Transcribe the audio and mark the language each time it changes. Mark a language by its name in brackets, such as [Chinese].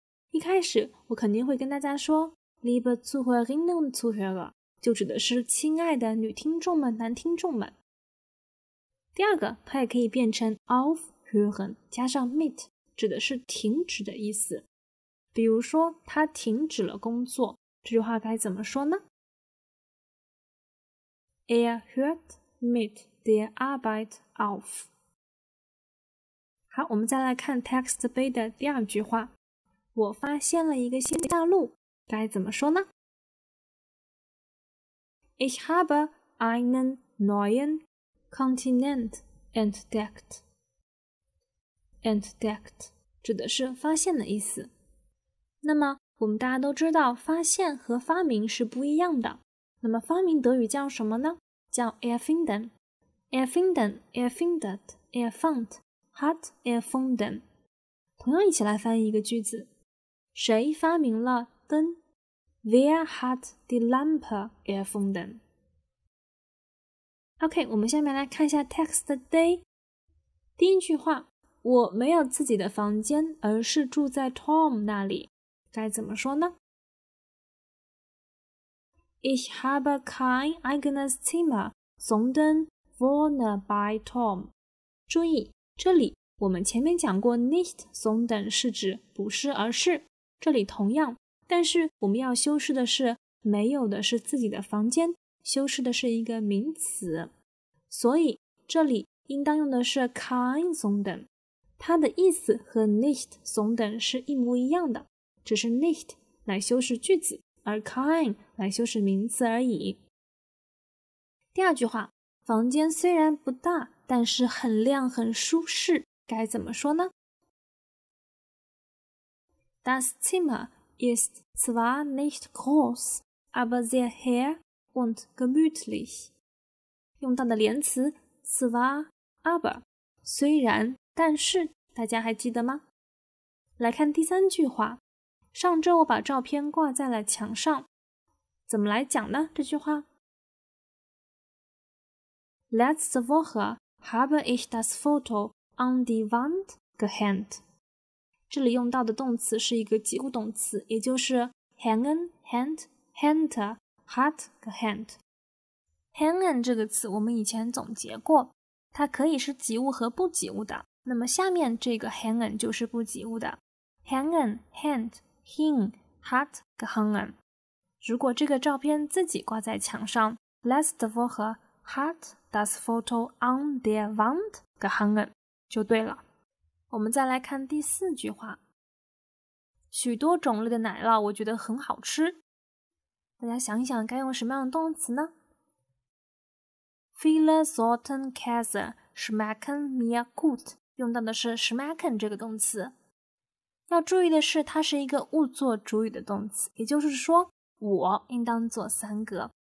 [Chinese] 一开始我肯定会跟大家说 [German] liebe Zuhörerinnen und Zuhörer [Chinese] 就指的是亲爱的女听众们男听众们。第二个，它也可以变成 aufhören 加上 mit 指的是停止的意思，比如说他停止了工作，这句话该怎么说呢？ [German] Er hört mit der Arbeit auf。 [Chinese] 好，我们再来看 text B 的第二句话，我发现了一个新大陆，该怎么说呢？ [German] Ich habe einen neuen Kontinent entdeckt。 [Chinese] Entdeckt 指的是发现的意思。那么我们大家都知道发现和发明是不一样的，那么发明德语叫什么呢？ [German] 叫 Erfinden。Erfinden, Erfindet, Erfand, Hat Erfunden。 [Chinese] 同样一起来翻译一个句子，谁发明了灯？ [German] Wer hat die Lampe Erfunden。 [Chinese] OK， 我们下面来看一下 Text Day。第一句话，我没有自己的房间，而是住在 Tom 那里，该怎么说呢？ [German] Ich habe kein eigenes Zimmer, sondern wohne bei Tom。 [Chinese] 注意，这里我们前面讲过 nicht, sondern 是指不是而是，这里同样，但是我们要修饰的是没有的是自己的房间，修饰的是一个名词，所以这里应当用的是 kein sondern。它的意思和 nicht sondern 是一模一样的，只是 nicht 来修饰句子，而 kein 来修饰名词而已。第二句话，房间虽然不大，但是很亮很舒适，该怎么说呢？ [German] Das Zimmer ist zwar nicht groß, aber sehr hell und gemütlich。 [Chinese] 用到的连词 zwar, aber 虽然但是，大家还记得吗？来看第三句话，上周我把照片挂在了墙上。怎么来讲呢？这句话。 [German] Letzte Woche habe ich das Foto an die Wand gehängt. [Chinese] 这里用到的动词是一个及物动词，也就是 hängen, hängt, hängt, hat gehängt。 Hängen 这个词我们以前总结过，它可以是及物和不及物的。那么下面这个 hängen 就是不及物的。 [German] Hängen, hängt, hing, hat gehängt。 [Chinese] 如果这个照片自己挂在墙上 ， [German] Letzte Woche hat das Foto an der Wand gehängt [Chinese] 就对了。我们再来看第四句话。许多种类的奶酪我觉得很好吃。大家想一想该用什么样的动词呢？ [German] Viele Sorten Käse schmecken mir gut。 [Chinese] 用到的是 schmecken 这个动词。要注意的是它是一个物作主语的动词，也就是说我应当做三格。